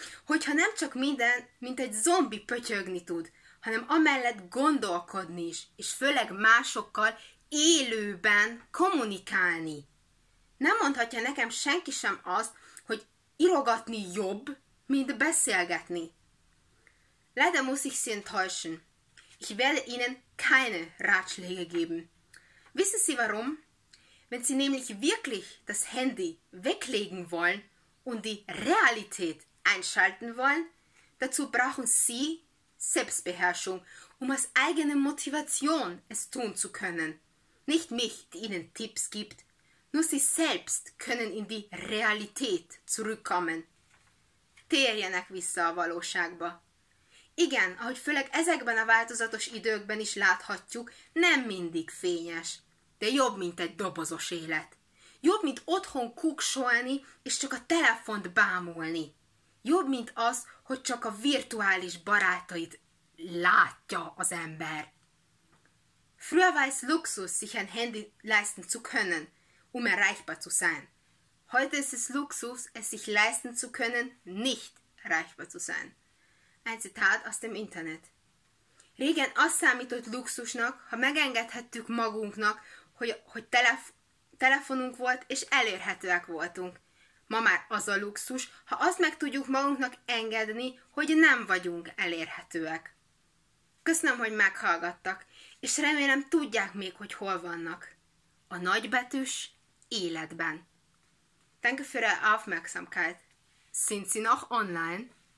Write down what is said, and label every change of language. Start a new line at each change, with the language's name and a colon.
Hungarian: Hogyha nem csak minden, mint egy zombi pötyögni tud, hanem amellett gondolkodni is, és főleg másokkal élőben kommunikálni. Nem mondhatja nekem senki sem azt, hogy irogatni jobb, mint beszélgetni.
German: Leider muss ich Sie enttäuschen. Ich werde Ihnen keine Ratschläge geben. Wissen Sie warum? Wenn Sie nämlich wirklich das Handy weglegen wollen und die Realität einschalten wollen, dazu brauchen Sie Selbstbeherrschung, um aus eigener Motivation es tun zu können. Nicht mich, die Ihnen Tipps gibt. Nur Sie selbst können in die Realität zurückkommen.
Hungarian: Térjenek vissza a valóságba. Igen, ahogy főleg ezekben a változatos időkben is láthatjuk, nem mindig fényes. De jobb, mint egy dobozos élet. Jobb, mint otthon kuksolni, és csak a telefont bámulni. Jobb, mint az, hogy csak a virtuális barátait látja az ember.
German: Früher war es Luxus, sich ein Handy leisten zu können, um erreichbar zu sein. Heute ist es Luxus, es sich leisten zu können, nicht erreichbar zu sein. Ein Zitat aus dem Internet.
Hungarian: Régen az számított luxusnak, ha megengedhettük magunknak, hogy telefonunk volt és elérhetőek voltunk. Ma már az a luxus, ha azt meg tudjuk magunknak engedni, hogy nem vagyunk elérhetőek. Köszönöm, hogy meghallgattak, és remélem tudják még, hogy hol vannak. A nagybetűs életben.
German: Danke für Ihre Aufmerksamkeit. Sind Sie noch online?